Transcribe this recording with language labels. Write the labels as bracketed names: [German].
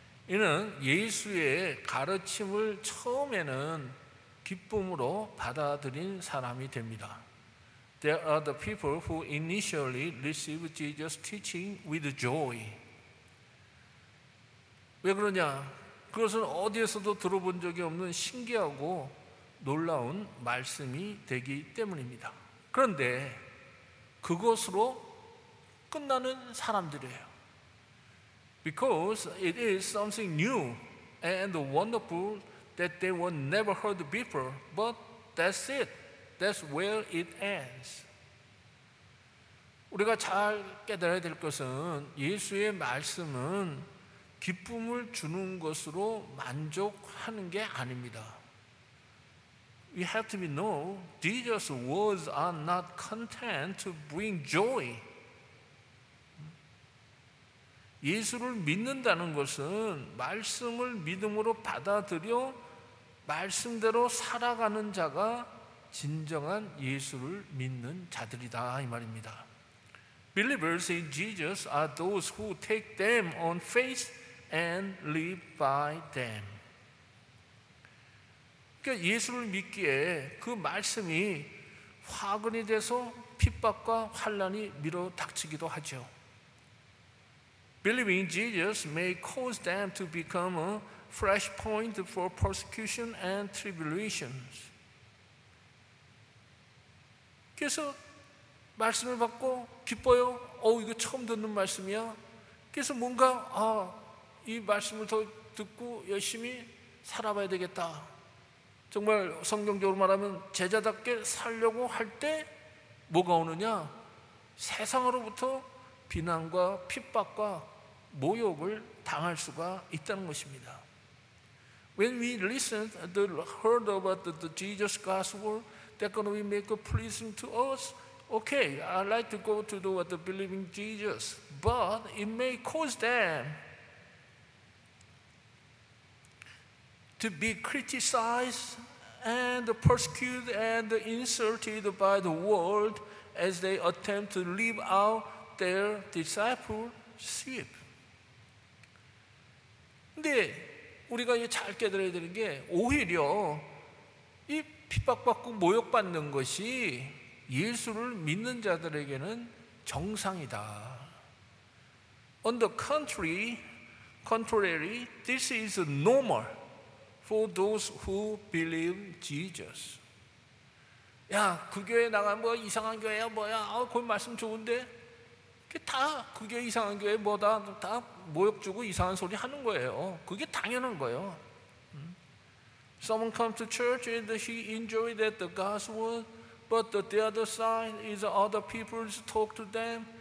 [Korean] 이는 예수의 가르침을 처음에는 기쁨으로 받아들인 사람이 됩니다. [English] There are the people who initially receive Jesus' teaching with joy. [Korean] 왜 그러냐? 그것은 어디에서도 들어본 적이 없는 신기하고 놀라운 말씀이 되기 때문입니다. 그런데 그것으로 끝나는 사람들이에요. [English] Because it is something new and wonderful that they were never heard before, but that's it. That's where it ends. [Korean] 우리가 잘 깨달아야 될 것은 예수의 말씀은 기쁨을 주는 것으로 만족하는 게 아닙니다. [English] We have to know Jesus' words are not content to bring joy. [Korean] 예수를 믿는다는 것은 말씀을 믿음으로 받아들여 말씀대로 살아가는 자가 진정한 예수를 믿는 자들이다 이 말입니다. [English] Believers in Jesus are those who take them on faith and live by them. [Korean] 그러니까 예수를 믿기에 그 말씀이 화근이 돼서 핍박과 환난이 밀어닥치기도 하죠. [English] Believing Jesus may cause them to become a fresh point for persecution and tribulations. [Korean] 그래서 말씀을 받고 기뻐요. 이거 처음 듣는 말씀이야. 그래서 뭔가 이 말씀을 더 듣고 열심히 살아봐야 되겠다. 정말 성경적으로 말하면 제자답게 살려고 할 때 뭐가 오느냐? 세상으로부터 비난과 핍박과 모욕을 당할 수가 있다는 것입니다. [English] When we listen to heard about the Jesus gospel, that's going to make a pleasing to us. Okay, I'd like to go to the believing Jesus, but it may cause them to be criticized and persecuted and insulted by the world as they attempt to live out their discipleship. [Korean] 근데 우리가 잘 깨달아야 되는 게 오히려 이 핍박받고 모욕받는 것이 예수를 믿는 자들에게는 정상이다. [English] On the contrary, this is normal for those who believe Jesus. [Korean] 야, 그 교회 나가면 뭐 이상한 교회야 뭐야? 그 말씀 좋은데? 다 그게 이상한 교회 뭐다? 다 모욕 주고 이상한 소리 하는 거예요. 그게 당연한 거예요. [English] Someone comes to church and he enjoyed that the gospel, but the other side is other people talk to them.